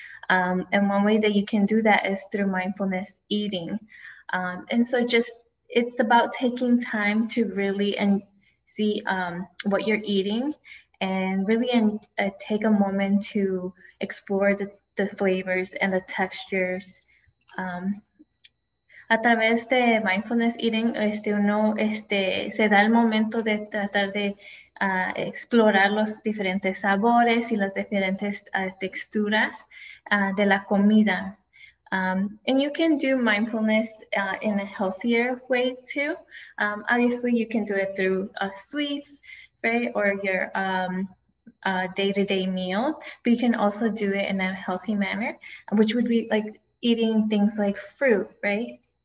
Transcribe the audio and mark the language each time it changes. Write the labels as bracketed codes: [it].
[en] And one way that you can do that is through mindfulness eating. It's about taking time to really and see what you're eating and really take a moment to explore the flavors and the textures. [es] A través de mindfulness eating, uno se da el momento de tratar de explorar los diferentes sabores y las diferentes texturas de la comida. [en] And you can do mindfulness in a healthier way too. Obviously, you can do it through sweets, right, or your day-to-day meals, but you can also do it in a healthy manner, which would be like eating things like fruit, right?